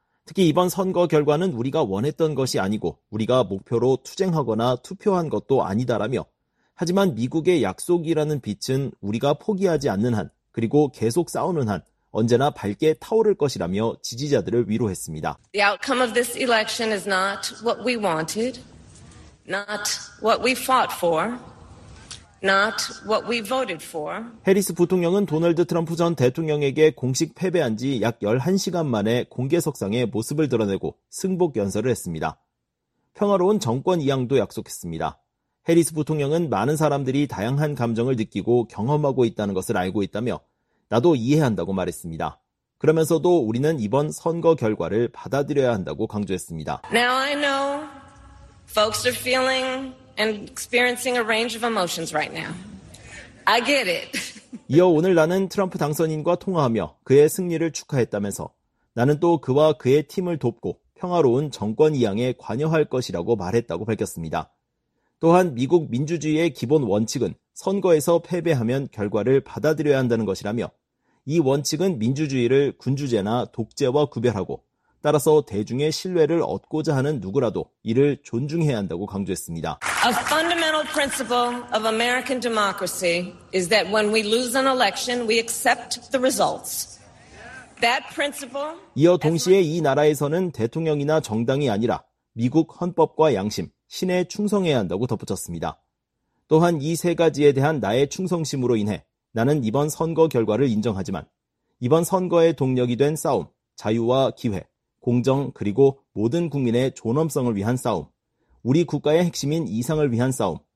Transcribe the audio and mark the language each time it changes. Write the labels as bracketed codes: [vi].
[ko] 특히 이번 선거 결과는 우리가 원했던 것이 아니고 우리가 목표로 투쟁하거나 투표한 것도 아니다라며 하지만 미국의 약속이라는 빛은 우리가 포기하지 않는 한 그리고 계속 싸우는 한 언제나 밝게 타오를 것이라며 지지자들을 위로했습니다. [en] The outcome of this election is not what we wanted, not what we fought for, not what we voted for. [ko] 해리스 부통령은 도널드 트럼프 전 대통령에게 공식 패배한 지 약 11시간 만에 공개석상에 모습을 드러내고 승복 연설을 했습니다. 평화로운 정권 이양도 약속했습니다. 해리스 부통령은 많은 사람들이 다양한 감정을 느끼고 경험하고 있다는 것을 알고 있다며 나도 이해한다고 말했습니다. 그러면서도 우리는 이번 선거 결과를 받아들여야 한다고 강조했습니다. [en] Now I know folks are feeling and experiencing a range of emotions right now. I get it. [ko] 이어 오늘 나는 트럼프 당선인과 통화하며 그의 승리를 축하했다면서 나는 또 그와 그의 팀을 돕고 평화로운 정권 이양에 관여할 것이라고 말했다고 밝혔습니다. 또한 미국 민주주의의 기본 원칙은 선거에서 패배하면 결과를 받아들여야 한다는 것이라며 이 원칙은 민주주의를 군주제나 독재와 구별하고 따라서 대중의 신뢰를 얻고자 하는 누구라도 이를 존중해야 한다고 강조했습니다. [en] A fundamental principle of American democracy is that when we lose an election, we accept the results. That principle. [ko] 이어 동시에 이 나라에서는 대통령이나 정당이 아니라 미국 헌법과 양심, 신에 충성해야 한다고 덧붙였습니다. 또한 이 세 가지에 대한 나의 충성심으로 인해 나는 이번 선거 결과를 인정하지만 이번 선거의 동력이 된 싸움, 자유와 기회, 공정 그리고 모든 국민의 존엄성을 위한 싸움, 우리 국가의 핵심인 이상을 위한 싸움,